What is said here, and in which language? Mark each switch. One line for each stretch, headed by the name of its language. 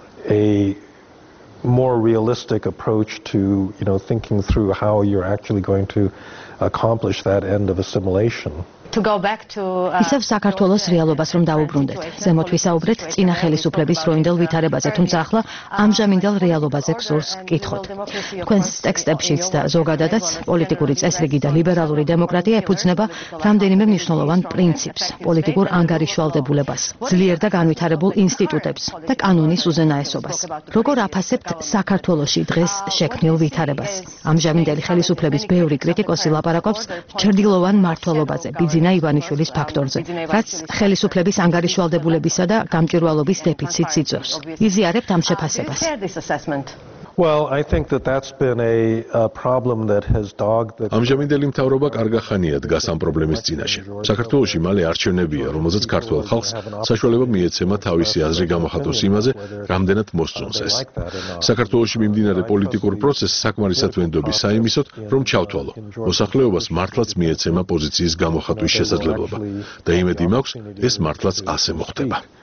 English: A more realistic approach to, you know, thinking through how you're actually going to accomplish that end of assimilation. To go back to
Georgian: ისევ საქართველოს რეალობას რომ დაუბრუნდეთ. ზემოთ ვისაუბრეთ წინა ხელისუფლების როინდელ ვითარებაზე, თუმცა ახლა ამჟამინდელ რეალობაზე გსურს კითხოთ. თქვენს ტექსტებშიც და ზოგადადაც პოლიტიკური წესრიგი და ლიბერალური დემოკრატია ეფუძნება რამდენიმე მნიშვნელოვან პრინციპს, პოლიტიკურ ანგარიშვალდებულებას, ძლიერ და განვითარებულ ინსტიტუტებს და კანონის უზენაესობას. როგორ აფასებთ საქართველოში დღეს შექმნილ ვითარებას? ამჟამინდელი ხელისუფლების ბევრი კრიტიკოსი ლაპარაკობს ჩრდილოვან მართველობაზე. ბიძინა ივანიშვილის ფაქტორზე, რაც ხელისუფლების ანგარიშვალდებულებისა და გამჭვირვალობის დეფიციტს იწვევს. იზიარებთ ამ შეფასებას?
English: Well, I think that that's been a problem that has dogged the
Georgian: ამჟამინდელი მთავრობა კარგახანია დგას ამ პრობლემის წინაშე. საქართველოში მალე არჩევნებია, რომელზეც ქართველ ხალხს საშუალება მიეცემა თავისი აზრი გამოხატოს იმაზე, რამდენად მოსწონს ეს. საქართველოში მიმდინარე პოლიტიკურ პროცესს საკმარისად ვენდობი საიმისოდ, რომ ჩავთვალო. მოსახლეობას მართლაც მიეცემა პოზიციის გამოხატვის შესაძლებლობა და იმედი მაქვს, ეს მართლაც ასე მოხდება.